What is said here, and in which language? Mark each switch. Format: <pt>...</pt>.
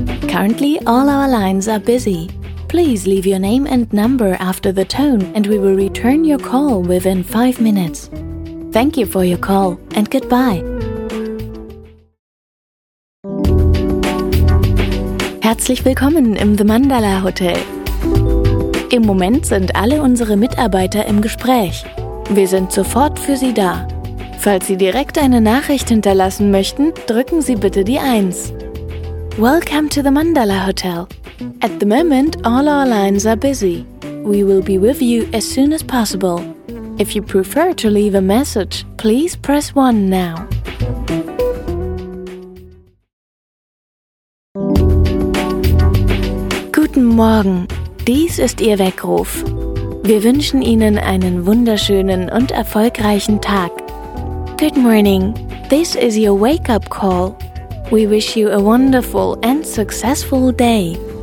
<en>Currently, all our lines are busy. Please leave your name and number after the tone and we will return your call within 5 minutes. Thank you for your call and goodbye.</en> <de>Herzlich willkommen im The Mandala Hotel. Im Moment sind alle unsere Mitarbeiter im Gespräch. Wir sind sofort für Sie da. Falls Sie direkt eine Nachricht hinterlassen möchten, drücken Sie bitte die 1.</de> <en>Welcome to the Mandala Hotel. At the moment, all our lines are busy. We will be with you as soon as possible. If you prefer to leave a message, please press 1 now.</en> <de>Guten Morgen. Dies ist Ihr Weckruf. Wir wünschen Ihnen einen wunderschönen und erfolgreichen Tag.</de> <en>Good morning. This is your wake-up call. We wish you a wonderful and successful day.</en>